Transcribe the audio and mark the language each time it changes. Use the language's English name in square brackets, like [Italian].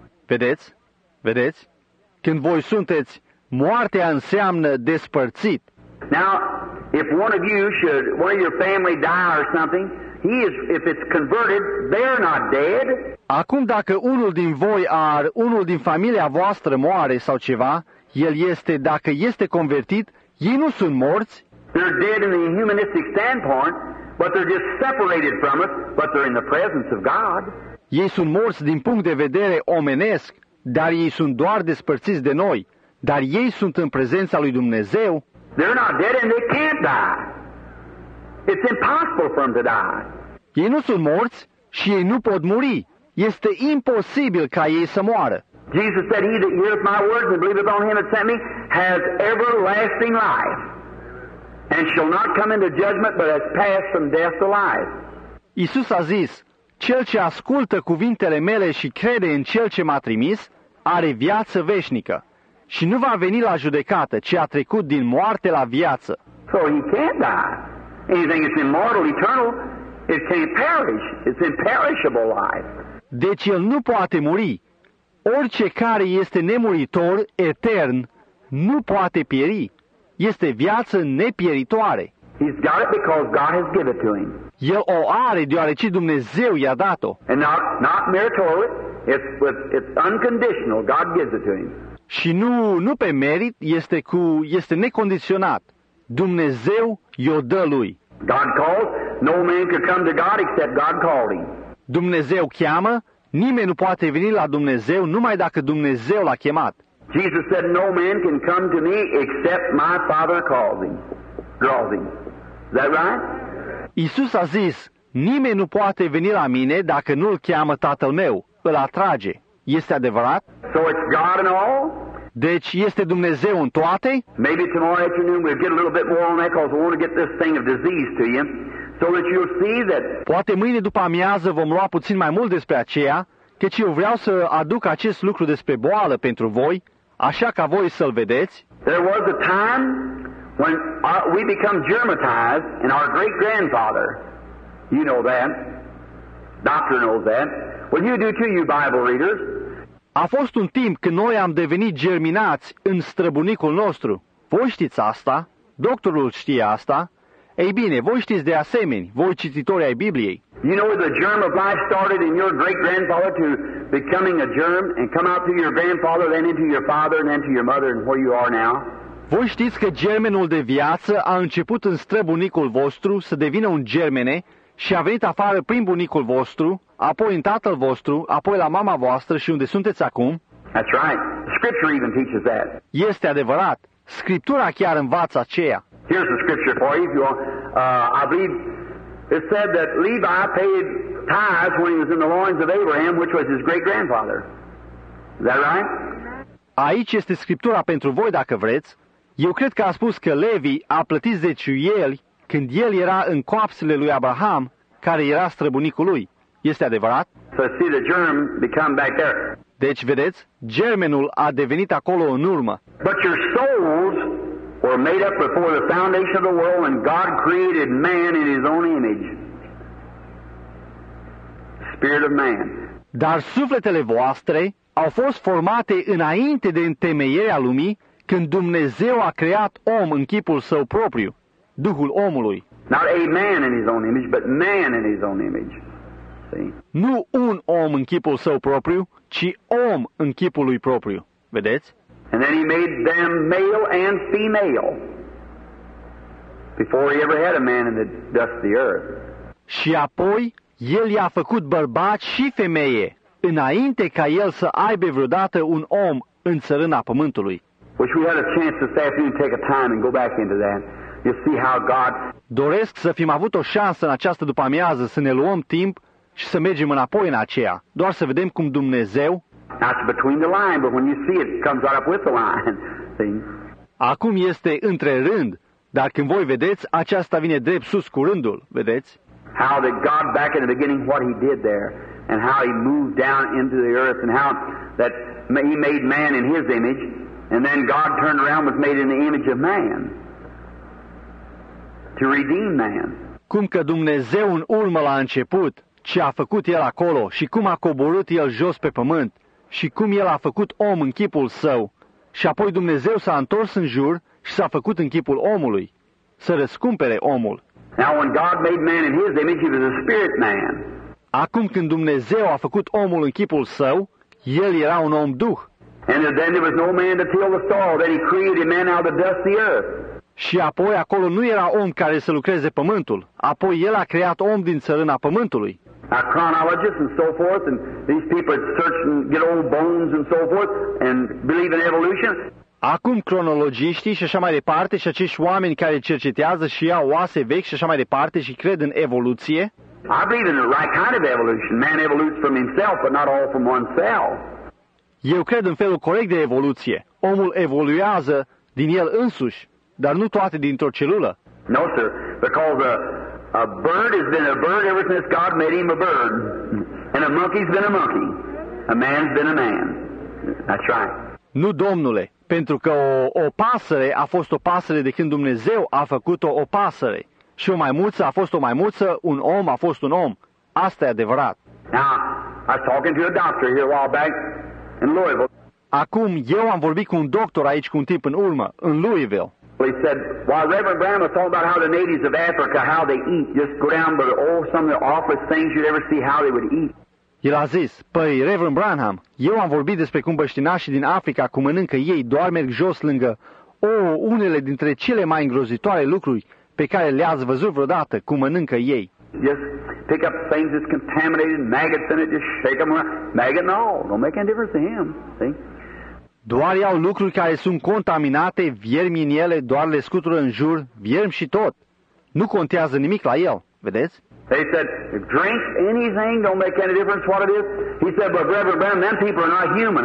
[Romanian] Vedeți? Vedeți? Când voi sunteți, moartea înseamnă despărțit. [English] Now, if one of you should, one of your family die or something, he is, if it's converted, they're not dead. [Romanian] Acum, dacă unul din voi ar, unul din familia voastră moare sau ceva, el este, dacă este convertit, ei nu sunt morți. [English] They're dead in the humanistic standpoint, but they're just separated from us, but they're in the presence of God. [Romanian] Ei sunt morți din punct de vedere omenesc, dar ei sunt doar despărțiți de noi, dar ei sunt în prezența lui Dumnezeu. [English] They're not dead and they can't die. It's impossible for them to die. [Romanian] Ei nu sunt morți și ei nu pot muri. Este imposibil ca ei să moară. [English] Jesus said, he that heareth my words and believeth on him that sent me has everlasting life and shall not come into judgment but has passed from death to life. [Romanian] Iisus a zis, cel ce ascultă cuvintele mele și crede în cel ce m-a trimis are viață veșnică și nu va veni la judecată, ci a trecut din moarte la viață. [English] So he can't die. Anything that's immortal, eternal, it can't perish. It's imperishable life. [Romanian] Deci el nu poate muri. Orice care este nemuritor, etern, nu poate pieri. Este viață nepieritoare. [English] He's got it because God has given to him. [Romanian] El o are deoarece Dumnezeu i-a dat-o. [English] And not meritorily, it's unconditional. God gives it to him. [Romanian] Și nu pe merit, este necondiționat. Dumnezeu i-o dă lui. [English] God calls, no man can come to God except God called him. [Romanian] Dumnezeu cheamă, nimeni nu poate veni la Dumnezeu numai dacă Dumnezeu l-a chemat. [English] Jesus said, no man can come to me except my Father calls him. Draws him. Is that right? [Romanian] Iisus a zis, nimeni nu poate veni la mine dacă nu-l cheamă Tatăl meu, îl atrage. Este adevărat? [English] So it's God and all? [Romanian] Deci este Dumnezeu în toate? [English] Maybe tomorrow afternoon we'll get a little bit more on that because we want to get this thing of disease to you. So that you'll see that. [Romanian] Poate mâine după amiază vom lua puțin mai mult despre aceea, căci eu vreau să aduc acest lucru despre boală pentru voi, așa ca voi să-l vedeți. [English] There was a time when we become germatized and our great-grandfather, you know that, doctor knows that, well you do too, you Bible readers. [Romanian] A fost un timp când noi am devenit germinați în străbunicul nostru. Voi știți asta? Doctorul știe asta? Ei bine, voi știți de asemenea, voi cititori ai Bibliei. [English] You know the germ of life started in your great-grandfather to becoming a germ and come out to your grandfather, then into your father, then to your mother and where you are now? [Romanian] Voi știți că germenul de viață a început în străbunicul vostru să devină un germene și a venit afară prin bunicul vostru, apoi în tatăl vostru, apoi la mama voastră și unde sunteți acum? [English] That's right. Scripture even teaches that. [Romanian] Este adevărat. Scriptura chiar învață aceea. [English] Here's the scripture for you. If you want, I believe it said that Levi paid tithes when he was in the loins of Abraham, which was his great grandfather. Is that right? [Romanian] Aici este scriptura pentru voi dacă vreți. Eu cred că a spus că Levi a plătit zeciuieli când el era în coapsele lui Abraham, care era străbunicul lui. Este adevărat? [English] So see the germ become back there. [Romanian] Deci vedeți, germenul a devenit acolo în urmă. [English] But your souls were made up before the foundation of the world when God created man in his own image. Spirit of man. [Romanian] Dar sufletele voastre au fost formate înainte de întemeierea lumii, când Dumnezeu a creat om în chipul său propriu, Duhul omului. [English] Not a man in his own image, but man in his own image. See? [Romanian] Nu un om în chipul său propriu, ci om în chipul lui propriu. Vedeți? [English] And then he made them male and female. Before he ever had a man in the dust of the earth. [Romanian] Și apoi el i-a făcut bărbați și femeie, înainte ca el să aibă vreodată un om în țărâna pământului. [English] Wish we had a chance this afternoon to take a time and go back into that. You'll see how God. [Romanian] Doresc să fim avut o șansă în această după-amiază să ne luăm timp și să mergem înapoi în aceea, doar să vedem cum Dumnezeu. [English] That's between the line, but when you see it, it comes right up with the line. [Romanian] Acum este între rând, dar când voi vedeți, aceasta vine drept sus cu rândul, vedeți? [English] How did God back in the beginning what he did there and how he moved down into the earth and how that he made man in his image and then God turned around and was made in the image of man. To redeem man. [Romanian] Cum că Dumnezeu în urmă la început, ce a făcut el acolo și cum a coborât el jos pe pământ și cum el a făcut om în chipul său și apoi Dumnezeu s-a întors în jur și s-a făcut în chipul omului, să răscumpere omul. [English] Now when God made man in his image, he was a spirit man. [Romanian] Acum când Dumnezeu a făcut omul în chipul său, el era un om duh. [English] And then there was no man to till the soil, then he created man out of the dust of the earth. [Romanian] Și apoi acolo nu era om care să lucreze pământul. Apoi el a creat om din țărâna pământului. [English] Our chronologists and so forth, and these people search and get old bones and so forth, and believe in evolution. [Romanian] Acum cronologiștii și așa mai departe și acești oameni care cercetează și iau oase vechi și așa mai departe și cred în evoluție. [English] I believe in the right kind of evolution. Man evolutes from himself, but not all from one cell. [Romanian] Eu cred în felul corect de evoluție. Omul evoluează din el însuși. Dar nu toate dintr-o celulă. [English] No, sir, because a bird has been a bird ever since God made him a bird. And a monkey's been a monkey. A man's been a man. That's right. [Romanian] Nu, domnule, pentru că o pasăre a fost o pasăre de când Dumnezeu a făcut-o o pasăre. Și o maimuță a fost o maimuță, un om a fost un om. Asta e adevărat. [English] Now, I was talking to a doctor here a while back in Louisville. [Romanian] Acum, eu am vorbit cu un doctor aici, cu un tip în urmă, în Louisville. [English] Well, he said, while Reverend Branham was talking about how the natives of Africa, how they eat, just go down, but oh, some of the awfulest things you'd ever see how they would eat. [Romanian] El a zis, păi, Reverend Branham, eu am vorbit despre cum băștinașii din Africa, cum mănâncă ei, doar merg jos lângă, unele dintre cele mai îngrozitoare lucruri pe care le-ați văzut vreodată, cum mănâncă ei. [English] Just pick up things that's contaminated, maggots in it, just shake them around, maggot and all, don't make any difference to him, see? [Romanian] Doar iau lucruri care sunt contaminate, viermi în ele, doar le scutură în jur, viermi și tot. Nu contează nimic la el, vedeți? [English] They said, drink anything, don't make any difference what it is. He said, but Reverend Branham, them people are not human.